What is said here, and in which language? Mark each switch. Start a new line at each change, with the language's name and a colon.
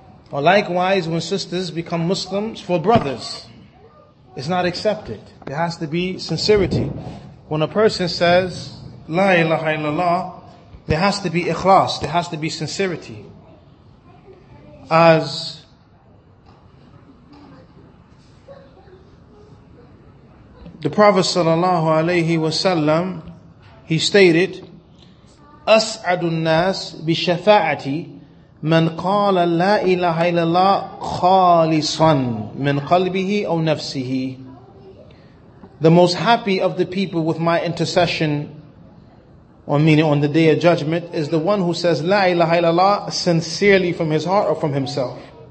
English: Or likewise, when sisters become Muslims for brothers, it's not accepted. There has to be sincerity. When a person says, La ilaha illallah, there has to be ikhlas, there has to be sincerity. As the Prophet sallallahu alayhi wa sallam, he stated,
Arabic: أَسْعَدُ النَّاسِ بِشَفَاعَةِ مَنْ قَالَ لَا إِلَهَ إِلَى اللَّهِ خَالِصًا مِنْ قَلْبِهِ أَوْ نَفْسِهِ.
English: The most happy of the people with my intercession, or meaning on the day of judgment, is the one who says La ilaha illallah sincerely from his heart or from himself.